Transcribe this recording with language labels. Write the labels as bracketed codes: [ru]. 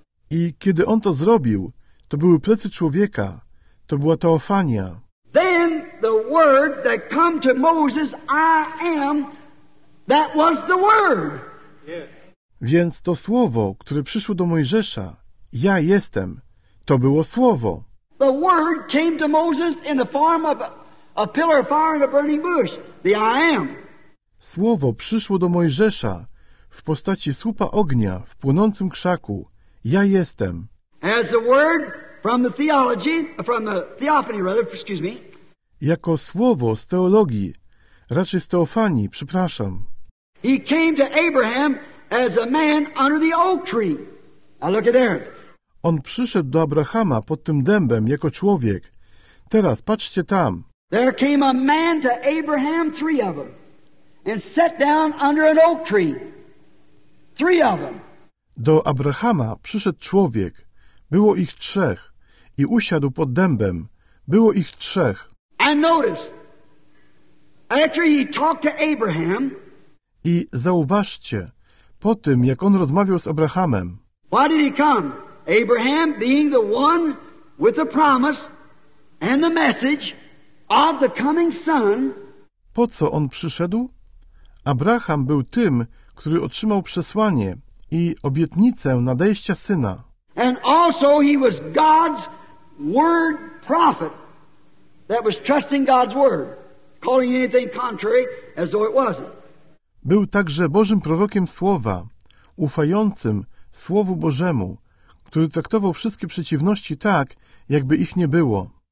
[pl] I kiedy on to zrobił, to były plecy człowieka. To była Teofania. [en] Then the word that come to Moses, I am, that was the word. [pl] Więc to słowo, które przyszło do Mojżesza, ja jestem. To było słowo. [en] The word came to Moses in the form of a pillar of fire and a burning bush. The I am. [pl] Słowo przyszło do Mojżesza w postaci słupa ognia w płonącym krzaku. Ja jestem. [en] As the word from the theophany, [pl] jako słowo z teologii, raczej z Teofanii, przepraszam. [en] He came to Abraham as a man under the oak tree. Now look at there. [pl] On przyszedł do Abrahama pod tym dębem jako człowiek. Teraz patrzcie tam. [en] There came a man to Abraham, three of them, and sat down under an oak tree. Three of them. [pl] Do Abrahama przyszedł człowiek. Było ich trzech. I usiadł pod dębem. Było ich trzech. [en] And notice, after he talked to Abraham, [pl] I zauważcie, po tym, jak on rozmawiał z Abrahamem. [en] Why did he come? Abraham being the one with the promise and the message of the coming son. [pl] Po co on przyszedł? Abraham był tym, który otrzymał przesłanie i obietnicę nadejścia syna. [en] And also he was God's word prophet that was trusting God's word, calling anything contrary as though it wasn't. [pl] Był także Bożym prorokiem słowa, ufającym Słowu Bożemu, który traktował wszystkie przeciwności tak, jakby ich nie było.